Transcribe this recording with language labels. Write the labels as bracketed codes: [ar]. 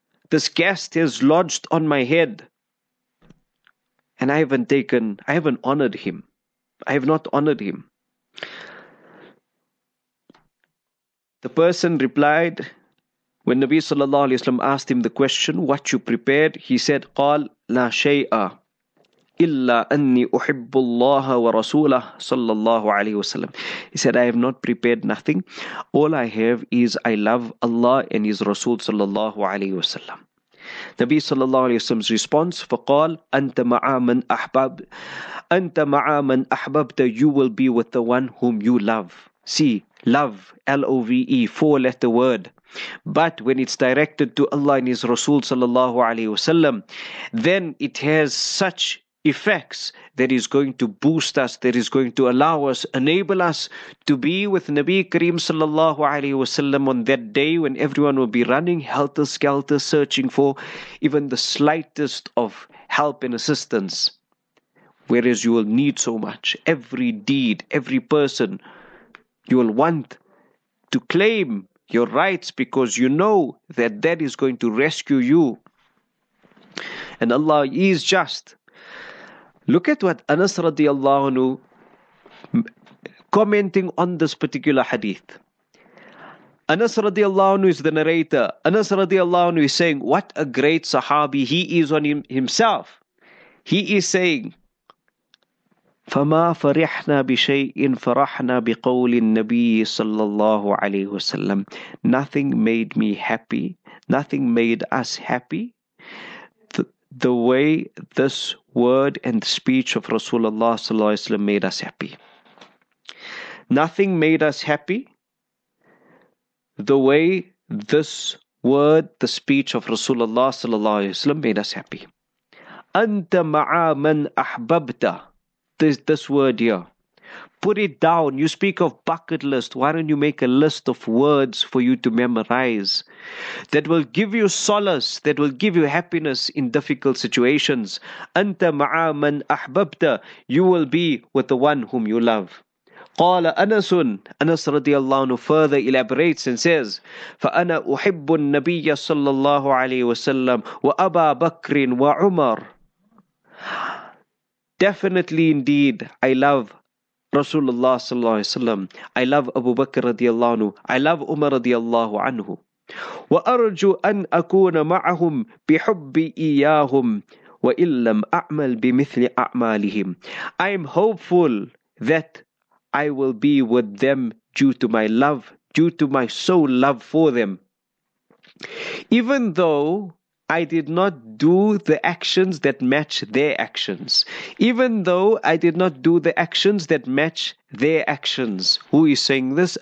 [en] This guest has lodged on my head. And I haven't honored him. I have not honored him. The person replied, when Nabi sallallahu alayhi wa sallam asked him the question, what you prepared? He said, [ar] قال لا شيء إلا أني أحب الله ورسوله صلى الله عليه وسلم. [en] He said, I have not prepared nothing. All I have is I love Allah and His Rasul صلى الله عليه وسلم. Nabi صلى الله عليه وسلم's response, [ar] فقال أنت مع من أحباب أنت مع من أحببت. [en] You will be with the one whom you love. See, love, L-O-V-E, four-letter word. But when it's directed to Allah and His Rasul صلى الله عليه وسلم, then it has such effects that is going to boost us, that is going to allow us, enable us to be with Nabi Kareem sallallahu alayhi wasallam on that day when everyone will be running helter-skelter, searching for even the slightest of help and assistance. Whereas you will need so much. Every deed, every person, you will want to claim your rights because you know that that is going to rescue you. And Allah is just. Look at what Anas radiallahu anhu commenting on this particular hadith. Anas radiallahu anhu is the narrator. Anas radiallahu anhu is saying, what a great sahabi he is on himself. He is saying, [ar] فَمَا فَرِحْنَا بِشَيْءٍ فَرَحْنَا بِقَوْلِ النَّبِيِّ صَلَّى اللَّهُ عَلَيْهُ وَسَلَّمُ [en] Nothing made me happy. Nothing made us happy. The way this word and speech of Rasulullah sallallahu alaihi wasallam made us happy. Nothing made us happy the way this word, the speech of Rasulullah sallallahu alaihi wasallam made us happy. [ar] Anta ma'a man ahbabta. [en] This word here. Put it down. You speak of bucket list. Why don't you make a list of words for you to memorize that will give you solace, that will give you happiness in difficult situations? [ar] Anta ma'a man ahbabta. [en] You will be with the one whom you love. [ar] قال أنس, أنس رضي الله عنه [en] further elaborates and says, [ar] فأنا أحب النبي صلى الله عليه وسلم وأبا بكر وعمر. [en] Definitely indeed, I love Rasulullah صلى الله عليه وسلم. I love Abu Bakr رضي الله عنه. I love Umar رضي الله عنه. [ar] وأرجو أن أكون معهم بحبي إياهم وإن لم أعمل بمثل أعمالهم. [en] I'm hopeful that I will be with them due to my love, due to my soul love for them. Even though I did not do the actions that match their actions. Even though I did not do the actions that match their actions. Who is saying this?